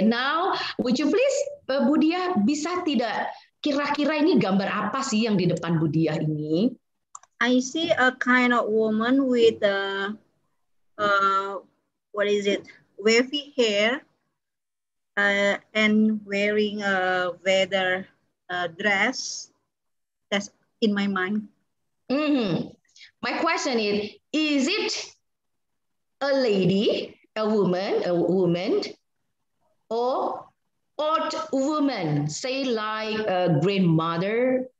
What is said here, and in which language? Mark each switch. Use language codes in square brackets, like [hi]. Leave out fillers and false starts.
[en] Now, would you please, Budi ya, [id] bisa tidak? Kira-kira ini gambar apa sih yang di depan Budi ya ini? [en] I see a kind of woman with a, what is it, wavy hair, and wearing a weather dress. That's in my mind. Mm-hmm. My question is it a lady, a woman, or old woman, say like a grandmother?